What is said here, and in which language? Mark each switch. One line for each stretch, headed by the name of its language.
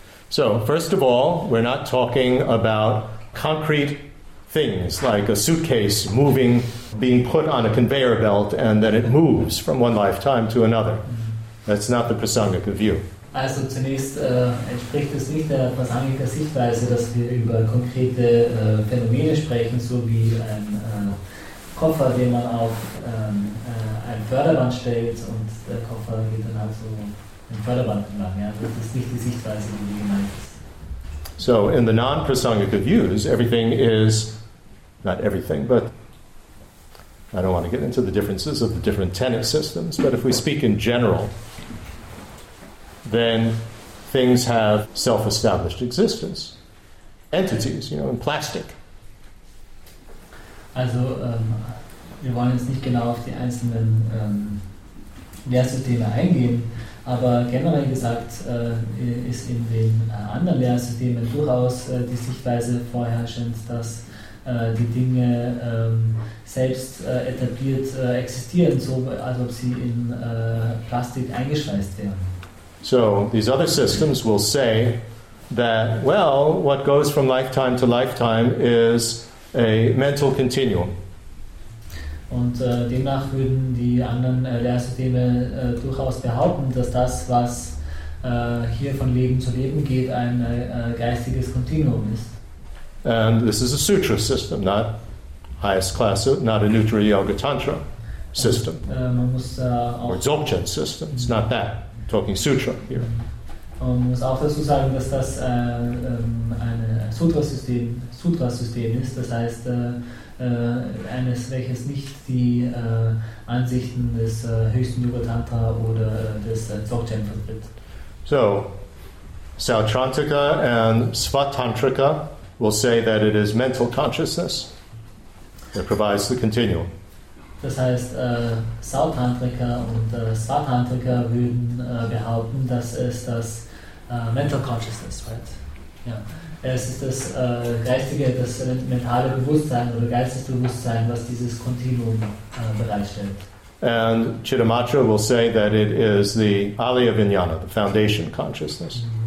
English: So, first of all, we're not talking about concrete things like a suitcase moving, being put on a conveyor belt, and then it moves from one lifetime to another. That's not the Prasangika view.
German: Also zunächst entspricht es nicht der Prasangika Sichtweise, dass wir über konkrete Phänomene sprechen, so wie ein Koffer, den man auf ein Förderband stellt, und der Koffer geht dann halt so im Förderband entlang. Ja? Das ist nicht die Sichtweise, die gemeint ist.
English: So, in the non-prasangika views, everything is not everything, but I don't want to get into the differences of the different tenet systems, but if we speak in general, then things have self-established existence. Entities, you know, in plastic.
German: Also, wir wollen jetzt nicht genau auf die einzelnen Lehrsysteme eingehen, aber generell gesagt ist in den anderen Lehrsystemen durchaus die Sichtweise vorherrschend, dass die Dinge selbst etabliert existieren, so als ob sie in Plastik eingeschweißt wären.
English: So, these other systems will say that, well, what goes from lifetime to lifetime is a mental continuum.
German: Und demnach würden die anderen Lehrsysteme durchaus behaupten, dass das, was hier von Leben zu Leben geht, ein geistiges Kontinuum ist.
English: And this is a sutra system, not highest class, not a Nuttara Yoga Tantra system.
German: Man muss
English: or Dzogchen system, it's not that. I'm talking sutra here.
German: Man muss auch dazu sagen, dass das ein Sutra-System ist, das heißt, eines, welches nicht die Ansichten des höchsten Yoga-Tantra oder des Dzogchen vertritt.
English: So, Sautrantika and Svatantrika will say that it is mental consciousness that provides the continuum.
German: Das heißt, Sautantrika und Svatantrika würden behaupten, dass es das
English: mental consciousness, right?
German: Ja. Es ist das geistige, das mentale Bewusstsein oder Geistesbewusstsein, was dieses Kontinuum bereitstellt.
English: And Chittamatra will say that it is the Alaya Vijnana, the foundation consciousness.